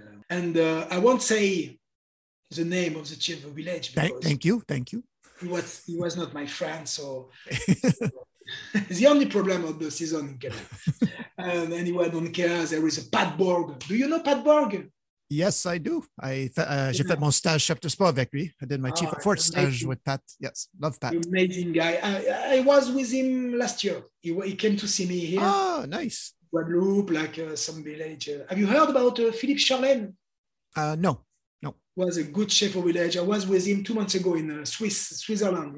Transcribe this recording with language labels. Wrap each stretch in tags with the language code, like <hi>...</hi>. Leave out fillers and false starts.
<en>And I won't say the name of the chief of the village. Thank you. He was not my friend, so it's the only problem of the season in Quebec. And anyone don't care, there is a Pat Borg. Do you know Pat Borg? Yes, I do.</en> <fr>J'ai fait mon stage chef de sport avec lui.</fr> <en>I did my chief of force stage with Pat. Yes, love Pat. Amazing guy. I was with him last year. He came to see me here. Oh, nice. Guadeloupe, some village. Have you heard about Philippe Charlène? No. Was a good chef of village. I was with him 2 months ago in Switzerland.</en>